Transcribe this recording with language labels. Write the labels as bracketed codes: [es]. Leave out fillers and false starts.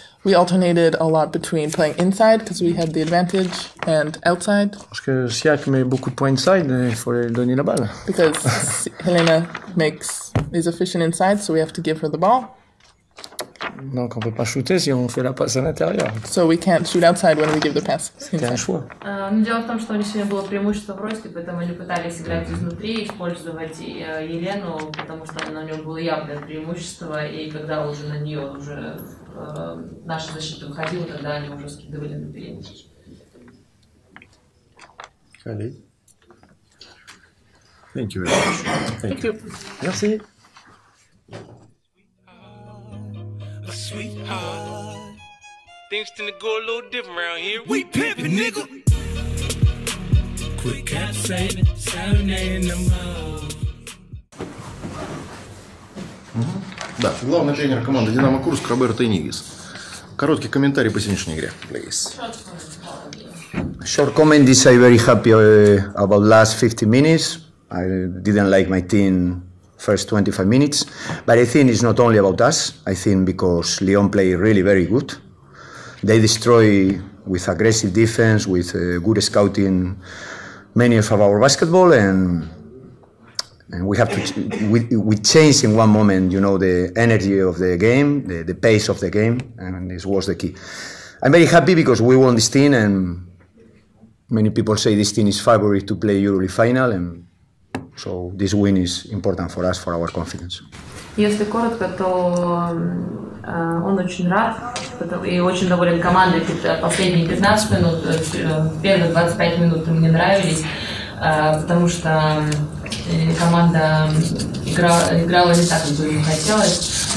[en] We alternated a lot between playing inside because we had the advantage and outside. [fr] Parce que Siak met beaucoup de points inside, il faut lui donner la balle. [en] Because Helena is efficient inside, so we have to give her the ball. [fr] Donc on peut pas shooter si on fait la passe à l'intérieur. [en] So we can't shoot outside when we give the pass. [fr] C'est un choix. [ru] Дело в том, что у них сегодня было преимущество в росте, поэтому они пытались играть изнутри, использовать Елену, потому что на нем было явное преимущество, и когда уже на нее уже наша защита выходила, тогда они уже скидывали на перенос. Коллеги. [en] Thank you very much. Thank you. [fr] Merci. [en] Sweetheart, things tend to go a little different around here. We pimpin', nigga. Quick cap saving, serenading the mall. [ru] Да, главный тренер команды Динамо Курск Роберто Энигис. Короткий комментарий по сегодняшней игре, please. [en] Short comment is I very happy about last 50 minutes. I didn't like my team first 25 minutes, but I think it's not only about us. I think because Lyon played really very good. They destroy with aggressive defense, with good scouting, many of our basketball, and we have to we change in one moment, you know, the energy of the game, the pace of the game, and this was the key. I'm very happy because we won this team, and many people say this team is favorite to play Euroleague final, and so this win is important for us, for our confidence. [ru] Если коротко, то он очень рад и очень доволен командой. Последние 15 минут, первые 25 минут мне нравились, потому что команда играла не так, как бы им хотелось.